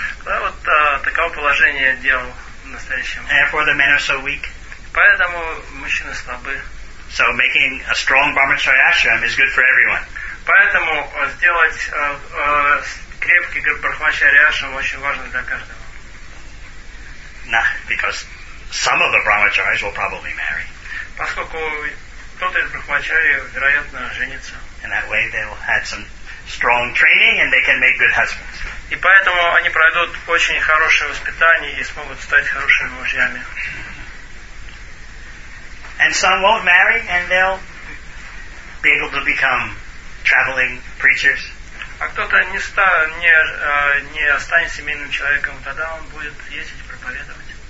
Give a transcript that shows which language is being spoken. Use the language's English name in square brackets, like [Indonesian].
[Russian] Да, вот таково положение дел в настоящем. [English] And for the men are so weak. [Russian] Поэтому мужчины слабы. [English] So making a strong brahmacharya ashram is good for everyone. [Russian] Поэтому сделать крепкий брахмачарья ашрам очень важно для каждого. [English] Nah, because some of the brahmacharis will probably marry. [Russian] Поскольку кто-то из брахмачарий вероятно женится. [English] And that way they will have some strong training and they can make good husbands. [Russian] И поэтому они пройдут очень хорошее воспитание и смогут стать хорошими мужьями. [English] And some won't marry and they'll be able to become traveling preachers. [Russian] А кто-то не останется семейным человеком, тогда он будет ездить проповедовать.